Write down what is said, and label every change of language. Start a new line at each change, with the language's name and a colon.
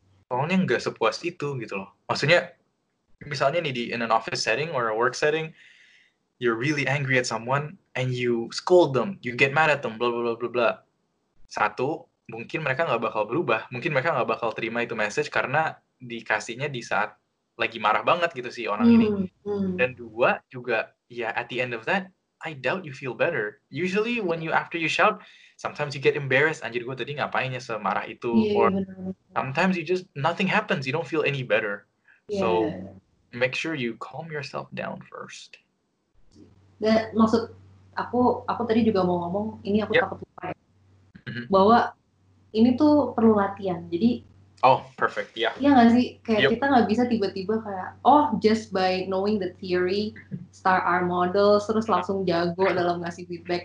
Indonesian: Soalnya nggak sepuas itu gitu loh. Maksudnya, misalnya nih di
English: in an office setting or a work setting, you're really angry at someone and you scold them, you get mad at them, blah blah blah blah blah.
Indonesian: Satu, mungkin mereka nggak bakal berubah, mungkin mereka nggak bakal terima itu message karena dikasihnya di saat lagi marah banget gitu sih orang ini. Dan dua juga, ya
English: at the end of that, I doubt you feel better. Usually when you, after you shout, sometimes you get embarrassed,
Indonesian: anjir gue tadi ngapainnya semarah itu.
English: Sometimes you just, nothing happens, you don't feel any better. So, make sure you calm yourself down first.
Indonesian: Maksud, aku tadi juga mau ngomong, ini aku takut lupa ya. Bahwa, ini tuh perlu latihan, jadi, oh, perfect, iya. Iya nggak sih? Kayak kita nggak bisa tiba-tiba kayak, oh,
English: just by knowing the theory,
Indonesian: star R model, terus langsung jago dalam ngasih feedback.